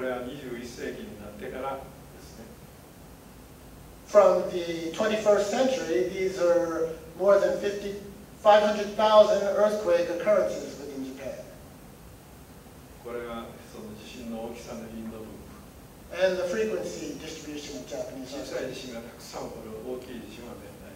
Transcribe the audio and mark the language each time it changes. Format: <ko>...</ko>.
<ja>ここに50万個の地震が書いて、これは21世紀になってからですね。</ja> <en>From the 21st century, these are more than 500,000 earthquake occurrences within Japan.</en> <ja>これがその地震の大きさの頻度分布。</ja> <en>And the frequency distribution of Japanese earthquakes.</en> <ja>小さい地震がたくさん起こる、大きい地震はね。</ja>